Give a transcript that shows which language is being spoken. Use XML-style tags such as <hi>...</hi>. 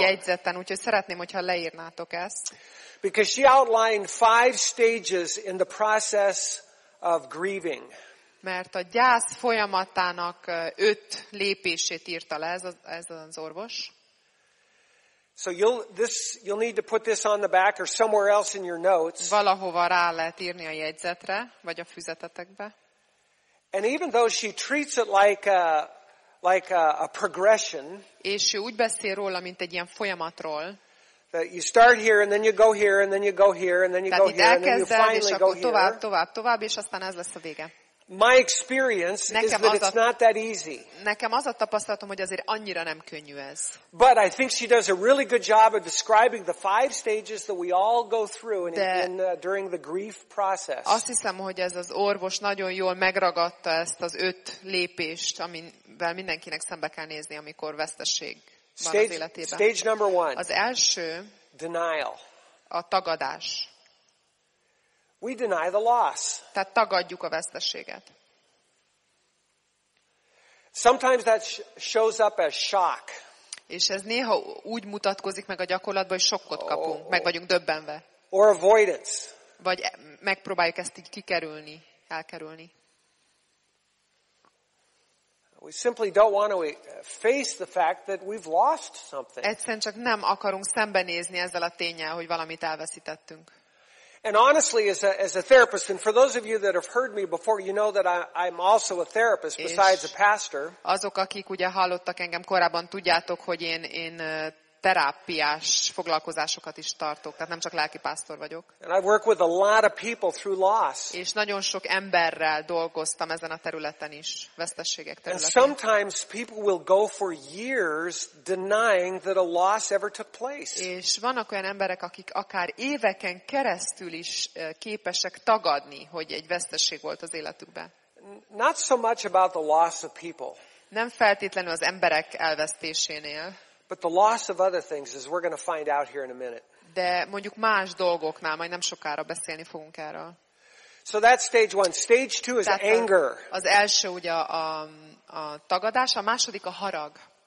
<hu>Jegyzetten, úgyhogy szeretném, hogyha leírnátok ezt.</hu> <en>Because she outlined 5 stages in the process of grieving.</en> <hu>Mert a gyász folyamatának 5 lépését írta le ez az orvos.</hu> <en>So you'll need to put this on the back or somewhere else in your notes.</en> <hu>Valahova rá lehet írni a jegyzetre vagy a füzetetekbe.</hu> <en>And even though she treats it like a progression.</en> <hu>És ő úgy beszél róla, mint egy ilyen folyamatról.</hu> <en>That you start here and then you go here and then you go here and then you go here and then you finally go here.</en> <hu>Tovább, és aztán ez lesz a vége.</hu> <en>My experience is that it's not that easy.</en> <hu>Nekem az a tapasztalatom, hogy azért annyira nem könnyű ez.</hu> <en>But I think she does a really good job of describing the 5 stages that we all go through during the grief process.</en> <hu>Azt hiszem, hogy ez az orvos nagyon jól megragadta ezt az 5 lépést, amivel mindenkinek szembe kell nézni, amikor veszteség van az életében.</hu> <en>Stage number 1.</en> <hu>Az első.</hu> <en>Denial.</en> <hu>A tagadás.</hu> <en>We deny the loss.</en> <hu>Tehát tagadjuk a veszteséget.</hu> <en>Sometimes that shows up as shock.</en> <hu>És ez néha úgy mutatkozik meg a gyakorlatban, hogy sokkot kapunk, meg vagyunk döbbenve.</hu> <en>Or avoidance.</en> <hu>Vagy megpróbáljuk ezt így kikerülni, elkerülni.</hu> <en>We simply don't want to face the fact that we've lost something.</en> <hu>Egyszerűen csak nem akarunk szembenézni ezzel a ténnyel, hogy valamit elveszítettünk.</hu> <en>And honestly, as a therapist, and for those of you that have heard me before, you know that I'm also a therapist besides a pastor.</en> <hu>Azok, akik ugye hallottak engem korábban, tudjátok, hogy én terápiás foglalkozásokat is tartok, tehát nem csak lelki pásztor vagyok.</hu> <en>And I work with a lot of people through loss.</en> <hu>És nagyon sok emberrel dolgoztam ezen a területen is, veszteségek területén.</hu> <en>And sometimes people will go for years denying that a loss ever took place.</en> <hu>És vannak olyan emberek, akik akár éveken keresztül is képesek tagadni, hogy egy veszteség volt az életükben.</hu> <en>Not so much about the loss of people.</en> <hu>Nem feltétlenül az emberek elvesztésénél.</hu> <en>But the loss of other things is we're going to find out here in a minute.</en> <hu>De mondjuk más dolgoknál, majd nem sokára beszélni fogunk erről.</hu> <en>So that's stage 1. Stage 2 is anger.</en> <hu>Az első ugye a tagadás, a második a harag.</hu>